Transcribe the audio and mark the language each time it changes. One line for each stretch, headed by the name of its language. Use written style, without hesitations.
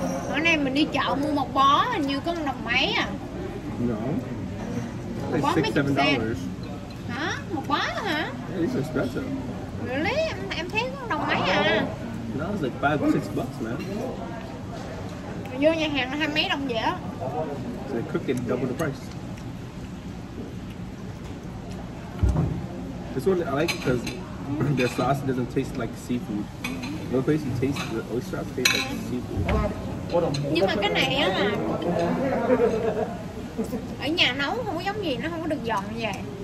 Vietnamese: Hôm nay mình đi chợ mua một bó hình như có 1 đồng mấy à.
English: No.
Vietnamese: Một bó mấy chục sen. Hả? Một bó hả?
English: Yeah, it's expensive.
Vietnamese: Really? Em thấy có 1 đồng mấy à.
English: No, it's like 5 or 6 bucks, man.
Vietnamese: Vô nhà hàng là 2 mấy đồng vậy á.
English: So they cook it double the price. This one I like because their sauce doesn't taste like seafood. No place you taste the oyster sauce tastes like seafood.
Vietnamese: Nhưng mà cái này á là ở nhà nấu không có giống gì, nó không có được giòn như vậy.